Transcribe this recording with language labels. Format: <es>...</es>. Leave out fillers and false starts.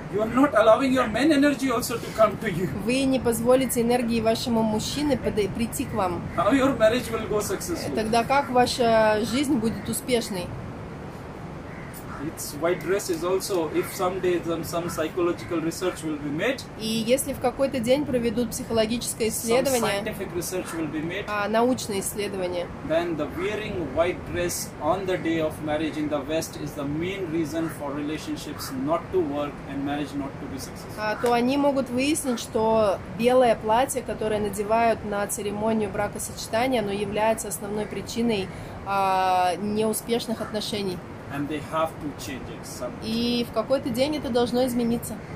<en>you are not allowing your man energy also to come to you.</en> <ru>Вы не позволите энергии вашему мужчине прийти к вам.</ru> <en>How your marriage will go successful?</en> <ru>Тогда как ваша жизнь будет успешной?</ru> <en>It's white dress is also if someday some psychological research will be made.</en> <ru>И если в какой-то день проведут психологическое исследование,</ru> <en>some scientific research will be made.</en> <ru>Научное исследование.</ru> <en>Then the wearing white dress on the day of marriage in the West is the main reason for relationships not to work and marriage not to be successful.</en> <ru>То они могут выяснить, что белое платье, которое надевают на церемонию бракосочетания, оно является основной причиной неуспешных отношений.</ru> <en>And they have to change it.</en> <ru>И в какой-то день это должно измениться.</ru>